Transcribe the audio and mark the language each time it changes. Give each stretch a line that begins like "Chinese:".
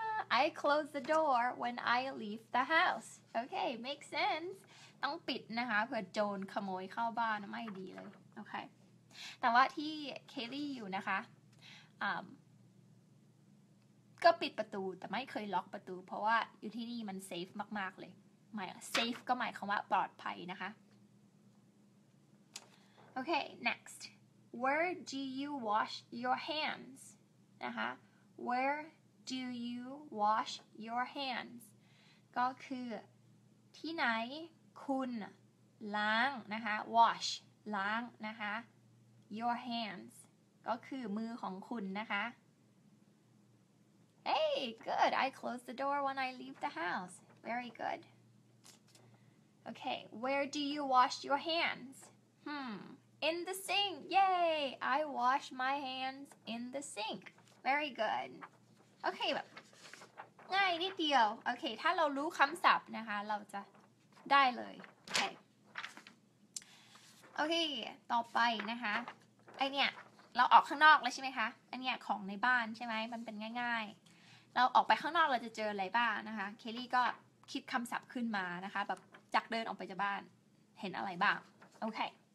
English: I close the door when I leave the house. Okay, makes sense.
Thai: ต้องปิดนะคะเผื่อโจรขโมยเข้าบ้านไม่ดีเลยโอเคแต่ว่าที่เคลลี่อยู่นะคะก็ปิดประตูแต่ไม่เคยล็อกประตูเพราะว่าอยู่ที่นี่มันเซฟมากๆเลยหมาย safe ก็หมายความว่าปลอดภัยนะคะ
English: Okay, next. Where do you wash your hands? นะคะ Where do you wash your hands?
Thai: ก็คือที่ไหนคุณล้างนะคะ wash ล้างนะคะ your hands ก็คือมือของคุณนะคะ
English: Hey, good. I close the door when I leave the house. Very good. Okay, where do you wash your hands? In the sink, yay! I wash my hands in the sink. Very good.
Thai: Okay, แบบง่ายนิดเดียว Okay, ถ้าเรารู้คำศัพท์นะคะเราจะได้เลย Okay. Okay, ต่อไปนะคะไอเนี่ยเราออกข้างนอกแล้วใช่ไหมคะอันเนี้ยของในบ้านใช่ไหมมันเป็นง่ายๆเราออกไปข้างนอกเราจะเจออะไรบ้างนะคะเคลลี่ก็คิดคำศัพท์ขึ้นมานะคะแบบจากเดินออกไปจากบ้านเห็นอะไรบ้าง Okay.